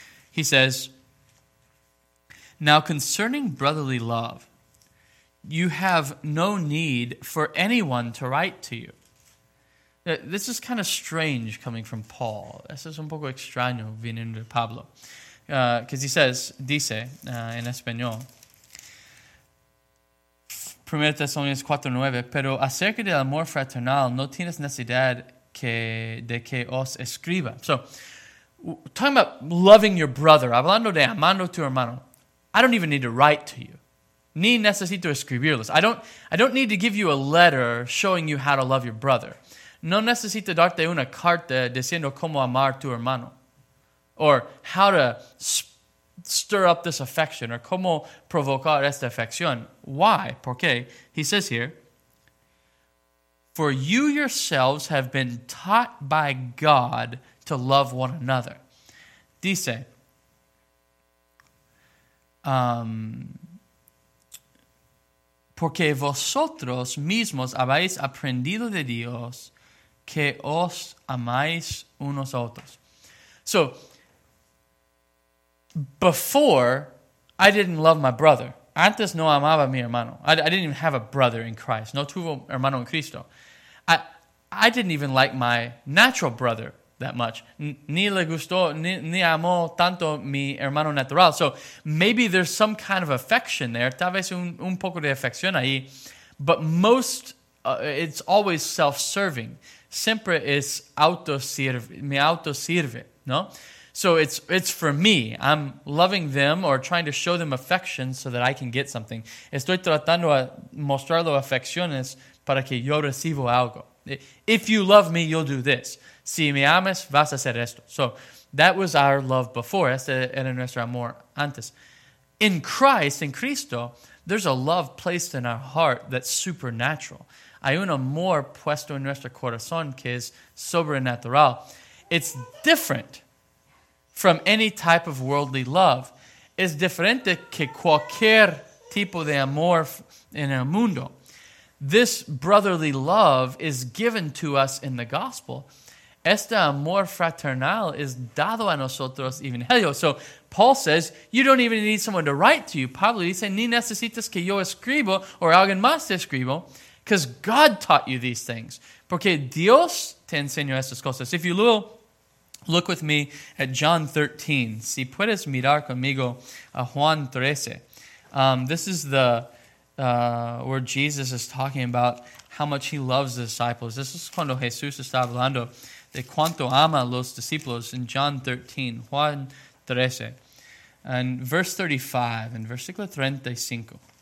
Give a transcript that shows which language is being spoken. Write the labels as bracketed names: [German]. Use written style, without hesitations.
[English] He says, now concerning brotherly love, you have no need for anyone to write to you. This is kind of strange coming from Paul. [Spanish] Eso es un poco extraño viniendo de Pablo. [English] Because he says, [Spanish] dice, en español, 1 Thessalonians 4, 9, pero acerca del amor fraternal no tienes necesidad de que os escriba. [English] So, talking about loving your brother, [Spanish] hablando de amando tu hermano, [English] I don't even need to write to you. [Spanish] Ni necesito escribirlos. [English] I don't need to give you a letter showing you how to love your brother. [Spanish] No necesito darte una carta diciendo cómo amar tu hermano. [English] Or how to stir up this affection. [Spanish] Or cómo provocar esta afección. [English] Why? [Spanish] ¿Por qué? [English] He says here, for you yourselves have been taught by God to love one another. [Spanish] Dice, porque vosotros mismos habéis aprendido de Dios que os amáis unos a otros. [English] So, before, I didn't love my brother. Antes no amaba a mi hermano. I didn't even have a brother in Christ. [Spanish] No tuvo hermano en Cristo. [English] I didn't even like my natural brother that much. [Spanish] Ni le gustó, ni amó tanto mi hermano natural. [English] So maybe there's some kind of affection there. [Spanish] Tal vez un poco de afección ahí. [English] But most, it's always self-serving. [Spanish] Siempre es me autosirve, ¿no? [English] So it's for me. I'm loving them or trying to show them affection so that I can get something. [Spanish] Estoy tratando de mostrarlo afecciones para que yo recibo algo. [English] If you love me, you'll do this. [Spanish] Si me amas, vas a hacer esto. [English] So that was our love before. [Spanish] Este era nuestro amor antes. [English] In Christ, in Cristo, there's a love placed in our heart that's supernatural. [Spanish] Hay un amor puesto en nuestro corazón que es sobrenatural. [English] It's different from any type of worldly love. [Spanish] Es diferente que cualquier tipo de amor en el mundo. [English] This brotherly love is given to us in the gospel. [Spanish] Este amor fraternal es dado a nosotros evangelio. [English] So Paul says, you don't even need someone to write to you. [Spanish] Pablo dice, ni necesitas que yo escribo o alguien más te escribo. [English] Because God taught you these things. [Spanish] Porque Dios te enseñó estas cosas. [English] If you will, look with me at John 13. [Spanish] Si puedes mirar conmigo a Juan 13. [English] This is the where Jesus is talking about how much he loves the disciples. This is [Spanish] cuando Jesús está hablando de cuánto ama los discípulos [English] in John 13, [Spanish] Juan 13. [English] And verse 35 and [Spanish] versículo 35.